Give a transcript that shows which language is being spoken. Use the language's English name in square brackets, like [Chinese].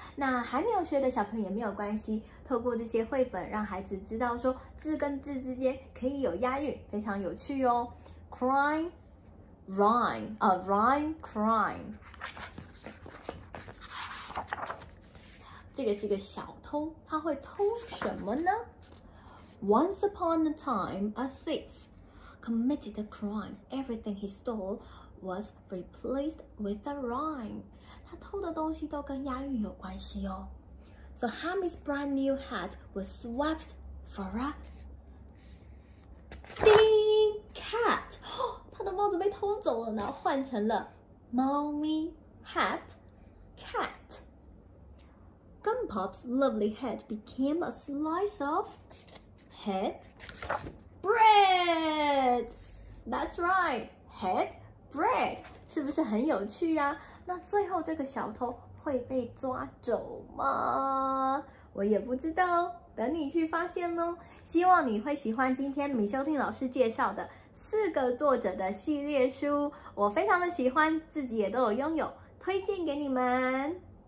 [Chinese] 那还没有学的小朋友也没有关系，透过这些绘本让孩子知道说字跟字之间可以有押韵，非常有趣哦。 [English] Crime. Rhyme. [Chinese] 这个是个小偷，他会偷什么呢？ [English] Once upon a time, a thief committed a crime. Everything he stole was replaced with a rhyme. [Chinese] 他偷的东西都跟押韵有关系哦。 [English] So Hammy's brand new hat was swapped for a thin cat. [Chinese] 他的帽子被偷走了，然后换成了 [English] mommy hat cat. Gunpop's lovely head became a slice of head bread. That's right, head bread. [Chinese] 是不是很有趣呀？那最后这个小偷会被抓走吗？我也不知道，等你去发现哦。希望你会喜欢今天米修汀老师介绍的四个作者的系列书，我非常的喜欢，自己也都有拥有，推荐给你们。